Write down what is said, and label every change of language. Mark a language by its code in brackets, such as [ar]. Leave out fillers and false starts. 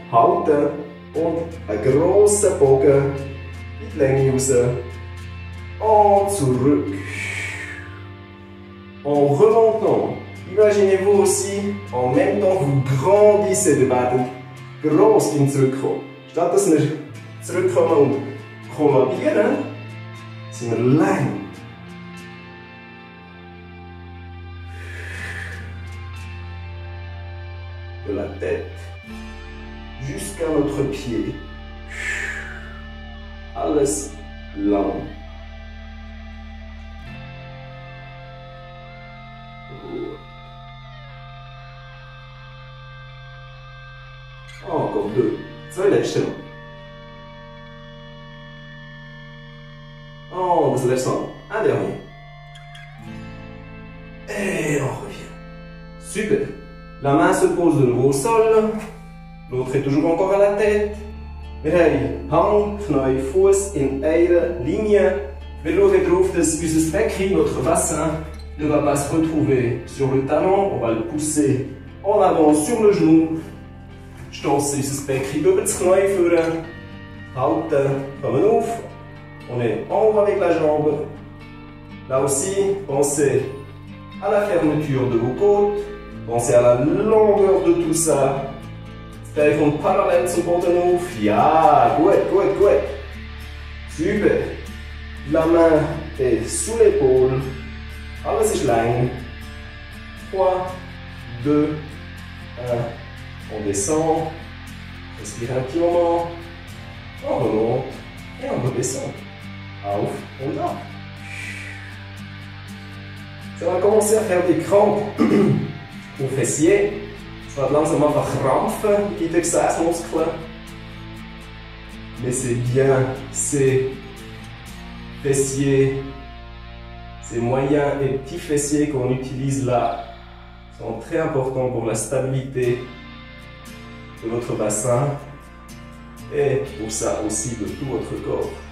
[de] Halten und einen grossen Bogen in die Länge raus und zurück. [fr] En remontant, imaginez-vous aussi, en même temps, vous grandissez de [de] beiden gross in zurückkommen. Statt dass wir zurückkommen und kollabieren, sind wir lang. [fr] De la tête. Jusqu'à notre pied. [de] Alles lang. [fr] Encore deux. [de] Zwei letzte. Und das letzte. [fr] Un dernier. Et on revient. Super. La main se pose de nouveau au sol. L'autre est toujours encore à la tête. [de] Wir haben Hand, Knie, Fuß in einer Linie. Wir schauen darauf, dass unser Becken, [fr] notre bassin, ne va pas se retrouver sur le talon. On va le pousser en avant sur le genou. [de] Stoßen unser Becken über das Knie führen. Halten, kommen auf. [fr] On est en haut avec la jambe. Là aussi, pensez à la fermeture de vos côtes. Pensez à la longueur de tout ça. [de] Stelle von parallel zum Boden auf. Ja, gut, gut, gut. [fr] Super. La main est sous l'épaule. [de] Alles ist lang. 3, 2, 1. [fr] On descend. Respire un petit moment. On remonte. Et on redescend. [de] Auf und ab. [fr] Ça va commencer à faire des crampes aux fessiers. Ça va [de] langsam einfach krampfen, die Gesäßmuskeln. [fr] Laissez bien ces fessiers, ces moyens et petits fessiers qu'on utilise là sont très importants pour la stabilité de votre bassin et pour ça aussi de tout votre corps.